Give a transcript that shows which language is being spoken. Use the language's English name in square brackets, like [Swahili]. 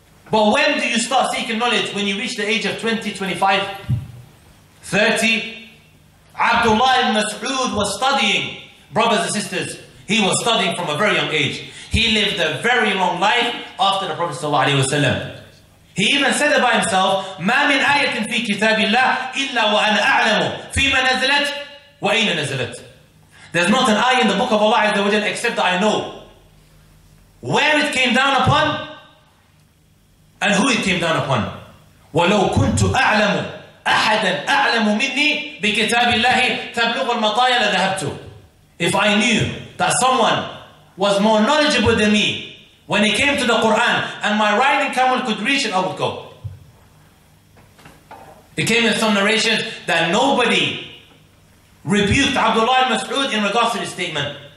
[English] But when do you start seeking knowledge? When you reach the age of 20, 25, 30? Abdullah ibn Mas'ud was studying, brothers and sisters. He was studying from a very young age. He lived a very long life after the Prophet sallallahu alaihi wasallam. [Arabic] He even said it by himself, ما من آية في كتاب الله إلا وأنا أعلم فيما نزلت وأين نزلت. [English] There's not an ayah in the book of Allah عز وجل except that I know where it came down upon and who it came down upon. [Arabic] ولو كنت أعلم أحدا أعلم مني بكتاب الله تبلغ المطايا لذهبت. [English] If I knew that someone was more knowledgeable than me when it came to the Quran and my riding camel could reach it, I would go. It came in some narrations that nobody rebuked Abdullah al-Mas'ud in regards to this statement.